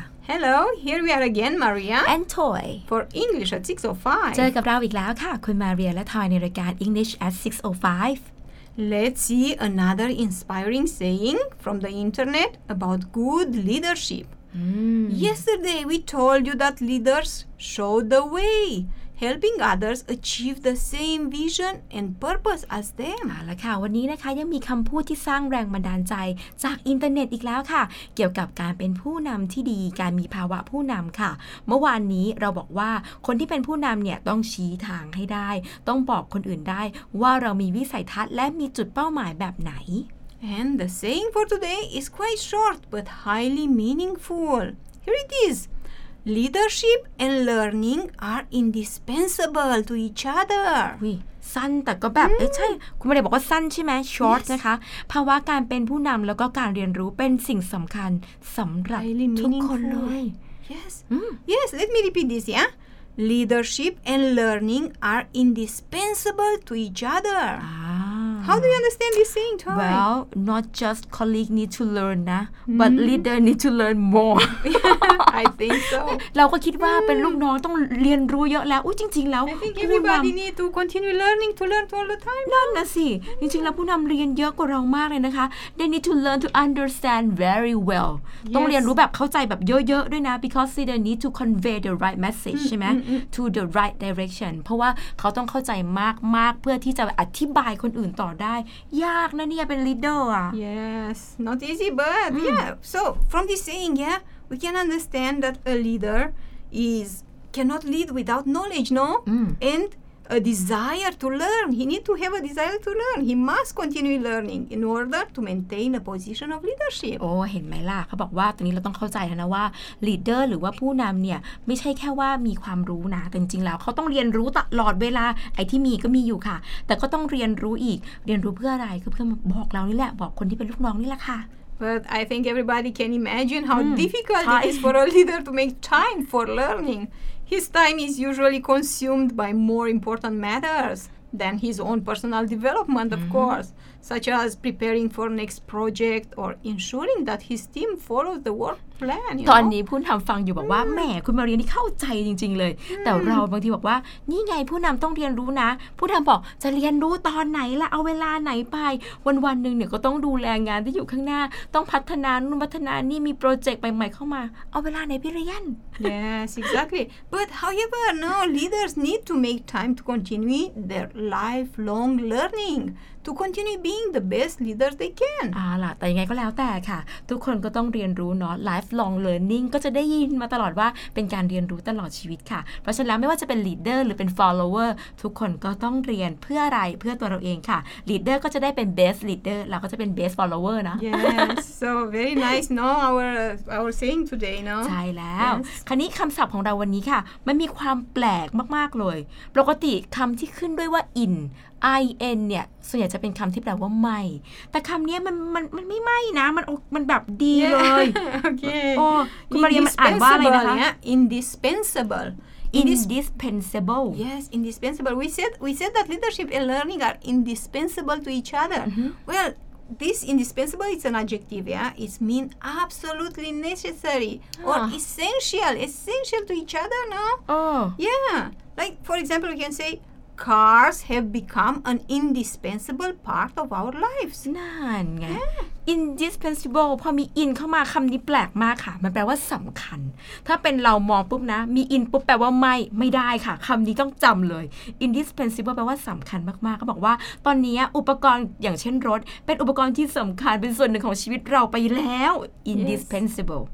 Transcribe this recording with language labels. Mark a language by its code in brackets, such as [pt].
[en] Hello, here we are again, Maria. And Toy. For English at 6:05. [th] เจอกับเราอีกแล้วค่ะคุณมาเรียและทอยในรายการ English at 6:05. [en] Let's see another inspiring saying from the internet about good leadership. Yesterday we told you that leaders show the way, helping others achieve the same vision and purpose as them. [th] แล้วค่ะวันนี้นะคะยังมีคำพูดที่สร้างแรงบันดาลใจจากอินเทอร์เน็ตอีกแล้วค่ะเกี่ยวกับการเป็นผู้นำที่ดีการมีภาวะผู้นำค่ะเมื่อวานนี้เราบอกว่าคนที่เป็นผู้นำเนี่ยต้องชี้ทางให้ได้ต้องบอกคนอื่นได้ว่าเรามีวิสัยทัศน์และมีจุดเป้าหมายแบบไหน [en] And the saying for today is quite short but highly meaningful. Here it is. Leadership and learning are indispensable to each other. [th] อุ้ยสั้นแต่ก็แบบเอ้ยใช่คุณไม่ได้บอกว่าสั้นใช่ไหม short นะคะภาวะการเป็นผู้นำแล้วก็การเรียนรู้เป็นสิ่งสำคัญสำหรับทุกคนเลย [en] Yes. Yes. Let me repeat this. Yeah. Leadership and learning are indispensable to each other. How do you understand this saying, Toy? Well, not just colleague need to learn, na, but leader need to learn more. I think so. [th] เราก็คิดว่าเป็นลูกน้องต้องเรียนรู้เยอะแล้วอุ้ยจริงๆแล้ว [en] I think everybody need to continue learning to learn all the time. [th] นั่นนะสิจริงๆแล้วผู้นำเรียนเยอะกว่าเรามากเลยนะคะ [en] They need to learn to understand very well. [th] ต้องเรียนรู้แบบเข้าใจแบบเยอะๆด้วยนะ [en] because leader need to convey the right message, [th] ใช่ไหม [en] to the right direction. [th] เพราะว่าเขาต้องเข้าใจมากๆเพื่อที่จะอธิบายคนอื่นต่อได้ยากนะเนี่ยเป็น leader อ่ะ [en] yes not easy but yeah so from this saying yeah we can understand that a leader is cannot lead without knowledge no and a desire to learn he need to have a desire to learn he must continue learning in order to maintain a position of leadership [th] โอ้เห็นไหมล่ะเขาบอกว่าตอนนี้เราต้องเข้าใจแล้วนะว่า leader หรือว่าผู้นำเนี่ยไม่ใช่แค่ว่ามีความรู้นะแต่จริงๆแล้วเขาต้องเรียนรู้ตลอดเวลาไอ้ที่มีก็มีอยู่ค่ะแต่ก็ต้องเรียนรู้อีกเรียนรู้เพื่ออะไรก็เพื่อบอกเรานี่แหละบอกคนที่เป็นลูกน้องนี่แหละค่ะ [en] But I think everybody can imagine how difficult it is for a leader to make time for learning. His time is usually consumed by more important matters than his own personal development, of course, such as preparing for next project or ensuring that his team follows the work plan. [th] ตอนนี้ผู้นำฟังอยู่บอกว่าแหมคุณมาเรียนนี่เข้าใจจริงๆเลยแต่เราบางทีบอกว่านี่ไงผู้นำต้องเรียนรู้นะผู้นำบอกจะเรียนรู้ตอนไหนล่ะเอาเวลาไหนไปวันๆนึงเนี่ยก็ต้องดูแลงานที่อยู่ข้างหน้าต้องพัฒนานู่นพัฒนานี่มีโปรเจกต์ใหม่ๆเข้ามาเอาเวลาไหนพี่เรียน [en] Yes exactly but however no leaders need to make time to continue their lifelong learningTo continue being the best leaders they can. [th] ล่ะแต่ยังไงก็แล้วแต่ค่ะทุกคนก็ต้องเรียนรู้เนาะ lifelong learning ก็จะได้ยินมาตลอดว่าเป็นการเรียนรู้ตลอดชีวิตค่ะเพราะฉะนั้นไม่ว่าจะเป็น leader หรือเป็น follower ทุกคนก็ต้องเรียนเพื่ออะไรเพื่อตัวเราเองค่ะ leader ก็จะได้เป็น best leader เราก็จะเป็น best follower นะ [en] Yes, so very nice, no? Our saying today, no? [th] ใช่แล้ว yes. คราวนี้คำศัพท์ของเราวันนี้ค่ะมันมีความแปลกมากๆเลยปกติคำที่ขึ้นด้วยว่า inIN เนี่ยส่วนใหญ่จะเป็นคำที่แปลว่าไม่แต่คำนี้มันไม่ไม่นะมันแบบดีเลย [en] okay. [th] โอ้คุณมาเรียนมันอ่านว่าอะไรนะคะ [en] indispensable yes indispensable we said that leadership and learning are indispensable to each other well this indispensable is an adjective yeah it means absolutely necessary or essential to each other no yeah like for example we can sayCars have become an indispensable part of our lives. [th] นั่นไง indispensable พอมี in เข้ามาคำนี้แปลกมากค่ะมันแปลว่าสำคัญถ้าเป็นเรามองปุ๊บนะมี in ปุ๊บแปลว่าไม่ได้ค่ะคำนี้ต้องจำเลย indispensable แปลว่าสำคัญมากๆเขาบอกว่าตอนนี้อุปกรณ์อย่างเช่นรถเป็นอุปกรณ์ที่สำคัญเป็นส่วนหนึ่งของชีวิตเราไปแล้ว indispensable